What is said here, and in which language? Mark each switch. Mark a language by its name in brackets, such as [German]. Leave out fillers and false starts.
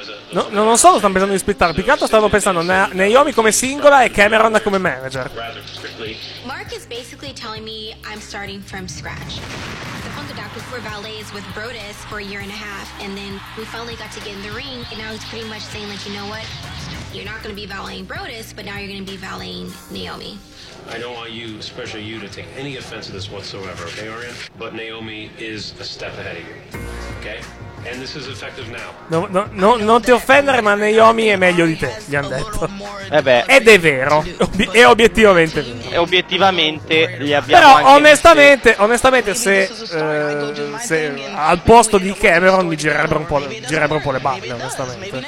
[Italian] No, non solo stanno pensando di splittare, più che altro stavo pensando Naomi come singola e Cameron come manager. [English] Mark is basically telling me I'm starting from scratch. The Funkadactyls were valets with Brodus for a year and a half, and then we finally got to get in the ring, and now he's pretty much saying, like, you know what? You're not going to be valeting Brodus, but now you're going to be valeting Naomi. I don't want you, especially you, to take any offense to this whatsoever, okay, Arian? But Naomi is a step ahead of you, okay? And this is effective now. [Italian] Non ti offendere, ma Naomi è meglio di te, gli hanno detto. Eh beh. Ed è vero. È obiettivamente vero. E obiettivamente li abbiamo. Però anche onestamente se al posto di Cameron mi girerebbero un po' le balle, onestamente.